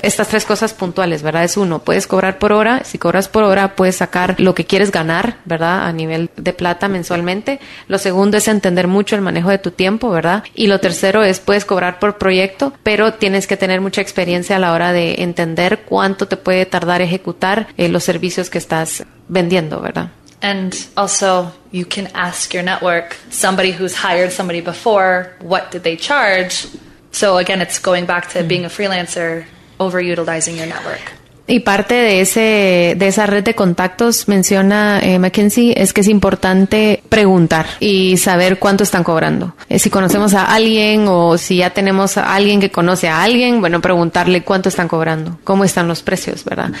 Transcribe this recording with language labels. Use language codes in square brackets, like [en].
[es] Estas tres cosas puntuales, ¿verdad? Es uno, puedes cobrar por hora. Si cobras por hora, puedes sacar lo que quieres ganar, ¿verdad? A nivel de plata mensualmente. Lo segundo es entender mucho el manejo de tu tiempo, ¿verdad? Y lo tercero es, puedes cobrar por proyecto, pero tienes que tener mucha experiencia a la hora de entender cuánto te puede tardar ejecutar los servicios que estás vendiendo, ¿verdad? [en] And also, you can ask your network, somebody who's hired somebody before, what did they charge? So again, it's going back to being a freelancer, overutilizing your network. [es] Y parte de esa red de contactos, menciona McKinsey, es que es importante preguntar y saber cuánto están cobrando. Si conocemos a alguien o si ya tenemos a alguien que conoce a alguien, bueno, preguntarle cuánto están cobrando, cómo están los precios, ¿verdad?